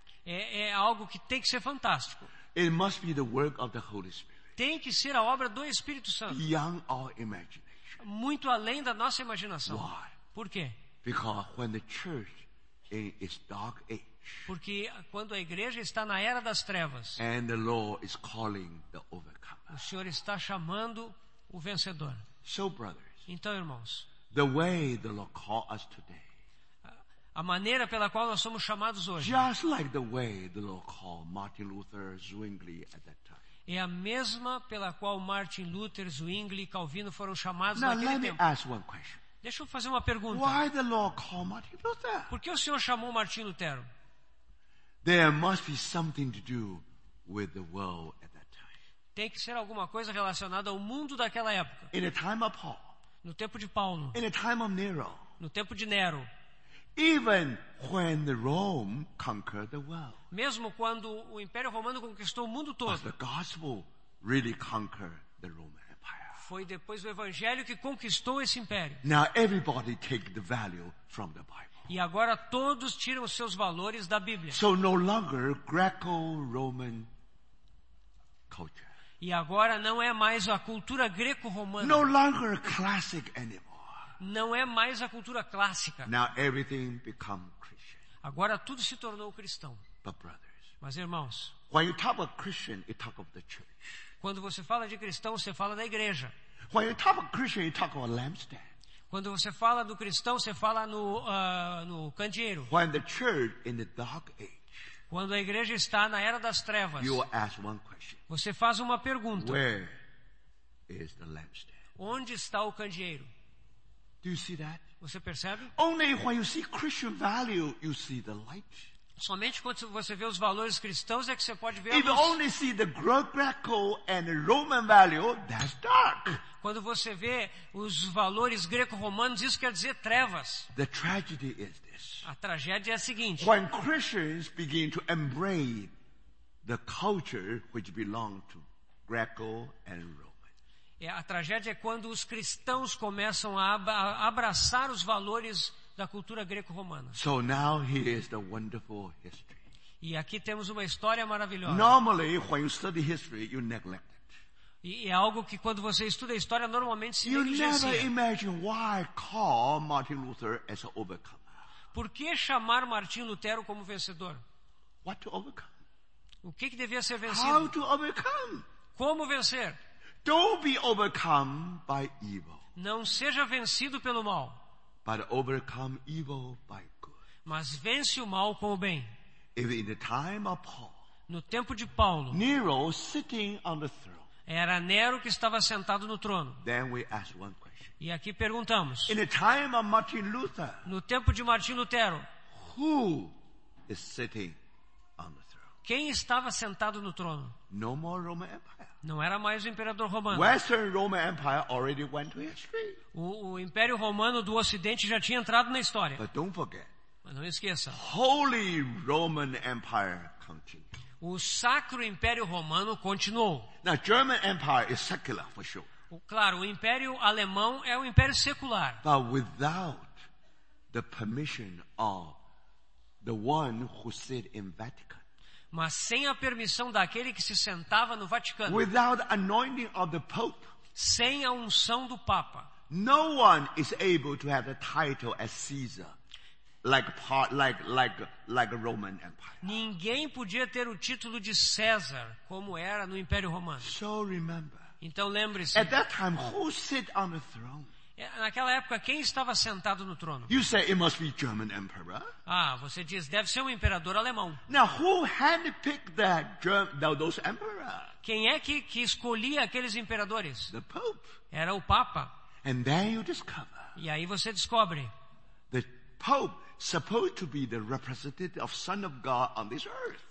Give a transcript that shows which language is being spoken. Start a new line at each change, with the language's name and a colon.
Portuguese: É algo que tem que ser fantástico.
English: It must be the work of the Holy Spirit.
Portuguese: Tem que ser a obra do Espírito Santo.
English: Beyond our imagination.
Portuguese: Muito além da nossa imaginação.
English: Why?
Portuguese: Por quê?
English: Because when the church in its dark age.
Portuguese: Porque quando a igreja está na era das trevas,
English: and the Lord is calling the overcomer.
Portuguese: O Senhor está chamando o vencedor.
English: So, brothers,
Portuguese: então, irmãos,
English: the way the Lord call us today,
Portuguese: a maneira pela qual nós somos chamados hoje,
English: just like the way the Lord called Martin Luther, Zwingli at that time.
Portuguese: É a mesma pela qual Martin Luther, Zwingli e Calvino foram chamados
English: now,
Portuguese: naquele tempo.
English: Now let me ask one question.
Portuguese: Deixa eu fazer uma pergunta.
English: Why the Lord call Martin Luther?
Portuguese: Por que o Senhor chamou Martin Lutero?
English: There must be something to do with the world at that time.
Portuguese: Tem que ser alguma coisa relacionada ao mundo daquela época.
English: In the time of Paul.
Portuguese: No tempo de Paulo.
English: In the time of Nero.
Portuguese: No tempo de Nero.
English: Even when Rome conquered the world.
Portuguese: Mesmo quando o Império Romano conquistou o mundo todo.
English: But the gospel really conquered the Roman Empire.
Portuguese: Foi depois o evangelho que conquistou esse império.
English: Now everybody take the value from the Bible.
Portuguese: E agora todos tiram os seus valores da Bíblia.
English: So no longer Greco-Roman culture.
Portuguese: E agora não é mais a cultura greco-romana.
English: No longer classic anymore.
Portuguese: Não é mais a cultura clássica.
English: Now everything become Christian.
Portuguese: Agora tudo se tornou cristão.
English: But brothers,
Portuguese: mas irmãos,
English: when you talk about Christian, you talk about the church.
Portuguese: Quando você fala de cristão, você fala da igreja.
English: When you talk about Christian, you talk about lampstand.
Portuguese: Quando você fala do cristão, você fala no candeeiro.
English: When the church in the dark age,
Portuguese: quando a igreja está na era das trevas,
English: you ask one question.
Portuguese: Você faz uma pergunta.
English: Where is the lampstand?
Portuguese: Onde está o candeeiro?
English: Do you see that?
Portuguese: Você percebe?
English: Only when you see Christian value, you see the light.
Portuguese: Somente quando você vê os valores cristãos é que você pode ver a luz.
English: If you only see the Greco and Roman value, that's dark.
Portuguese: Quando você vê os valores greco-romanos, isso quer dizer trevas.
English: The tragedy is this.
Portuguese: A tragédia é a seguinte.
English: When Christians begin to embrace the culture which belongs to Greco and Roman.
Portuguese: É, a tragédia é quando os cristãos começam a abraçar os valores da cultura greco-romana.
English: So now here is the wonderful history.
Portuguese: E aqui temos uma história maravilhosa.
English: Normally, when you study history, you neglect it.
Portuguese: E é algo que quando você estuda a história normalmente se negligencia.
English: You never imagine why call Martin Luther as an overcomer.
Portuguese: Por que chamar Martin Lutero como vencedor?
English: What to overcome?
Portuguese: O que devia ser vencido?
English: How to overcome?
Portuguese: Como vencer?
English: Don't be overcome by evil.
Portuguese: Não seja vencido pelo mal.
English: But overcome evil by good.
Portuguese: Mas vence o mal com o bem.
English: If in the time of Paul,
Portuguese: no tempo de Paulo,
English: Nero sitting on the throne,
Portuguese: era Nero que estava sentado no trono.
English: Then we ask one question.
Portuguese: E aqui perguntamos.
English: In the time of Martin Luther,
Portuguese: no tempo de Martin Lutero,
English: who is sitting on the throne?
Portuguese: Quem estava sentado no trono?
English: No more Roman Empire.
Portuguese: Não era mais o imperador romano.
English: Western Roman Empire already went to history.
Portuguese: O Império Romano do Ocidente já tinha entrado na história.
English: But don't forget,
Portuguese: mas não esqueça.
English: Holy Roman Empire continued.
Portuguese: O Sacro Império Romano continuou.
English: Now, German Empire is secular, for sure.
Portuguese: Claro, o Império Alemão é um império secular.
English: But without the permission of the one who sit in Vatican.
Portuguese: Mas sem a permissão daquele que se sentava no Vaticano.
English: Without anointing of the Pope.
Portuguese: Sem a unção do Papa.
English: No one is able to have a title as Caesar, like a Roman Empire.
Portuguese: Ninguém podia ter o título de César como era no Império Romano.
English: So remember.
Portuguese: Então lembre-se.
English: At that time, who sit on the throne?
Portuguese: Naquela época, quem estava sentado no trono?
English: You say it must be German emperor.
Portuguese: Ah, você diz, deve ser um imperador alemão.
English: Now, who handpicked those emperors?
Portuguese: Quem é que escolhia aqueles imperadores?
English: The Pope.
Portuguese: Era o Papa.
English: And then you discover.
Portuguese: E aí você descobre.
English: The Pope supposed to be the representative of Son of God on this earth.